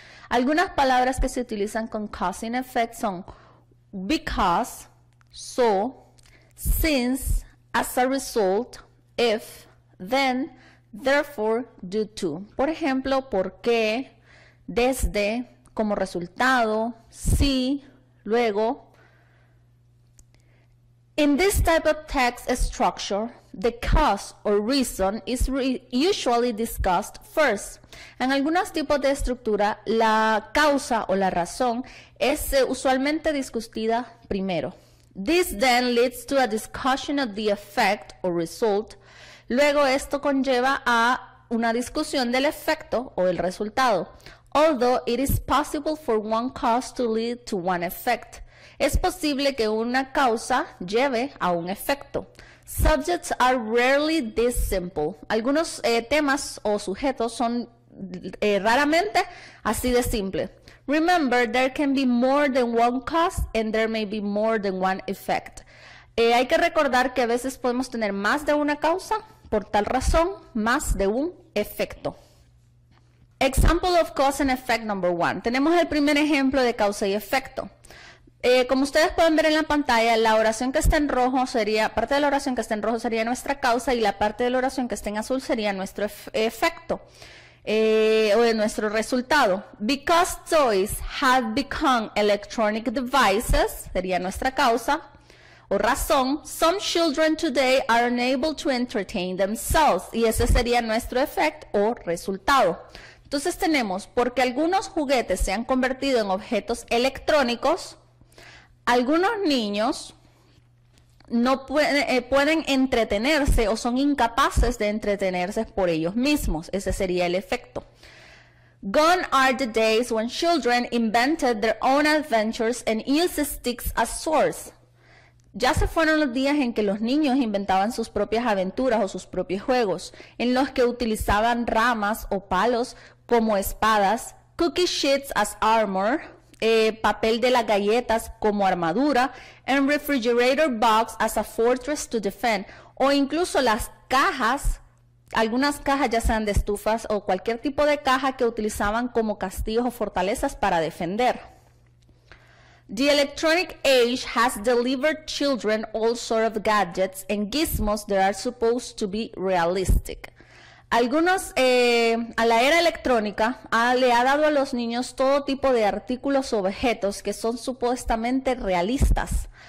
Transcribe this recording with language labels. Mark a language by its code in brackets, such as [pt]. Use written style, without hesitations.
[es] Algunas palabras que se utilizan con cause and effect son [en] because, so, since, as a result, if, then, therefore, due to. [es] Por ejemplo, por qué, desde, como resultado, si, luego. [en] In this type of text structure, the cause or reason is usually discussed first. [es] En algunos tipos de estructura, la causa o la razón es usualmente discutida primero. [en] This then leads to a discussion of the effect or result. [es] Luego esto conlleva a una discusión del efecto o el resultado. [en] Although it is possible for one cause to lead to one effect. [es] Es posible que una causa lleve a un efecto. [en] Subjects are rarely this simple. [es] Algunos temas o sujetos son raramente así de simple. [en] Remember, there can be more than one cause and there may be more than one effect. [es] Hay que recordar que a veces podemos tener más de una causa, por tal razón, más de un efecto. [en] Example of cause and effect number one. [es] Tenemos el primer ejemplo de causa y efecto. Como ustedes pueden ver en la pantalla, la oración que está en rojo sería, parte de la oración que está en rojo sería nuestra causa y la parte de la oración que está en azul sería nuestro efecto o nuestro resultado. [en] Because toys have become electronic devices, [es] sería nuestra causa o razón. [en] Some children today are unable to entertain themselves [es] y ese sería nuestro efecto o resultado. Entonces tenemos, porque algunos juguetes se han convertido en objetos electrónicos, algunos niños no pueden entretenerse o son incapaces de entretenerse por ellos mismos. Ese sería el efecto. [en] Gone are the days when children invented their own adventures and used sticks as swords. [es] Ya se fueron los días en que los niños inventaban sus propias aventuras o sus propios juegos, en los que utilizaban ramas o palos como espadas, [en] cookie sheets as armor, [es] papel de las galletas como armadura, [en] and refrigerator box as a fortress to defend, [es] o incluso las cajas, algunas cajas ya sean de estufas o cualquier tipo de caja que utilizaban como castillos o fortalezas para defender. [en] The electronic age has delivered children all sorts of gadgets and gizmos that are supposed to be realistic. [es] Algunos, a la era electrónica, le ha dado a los niños todo tipo de artículos o objetos que son supuestamente realistas.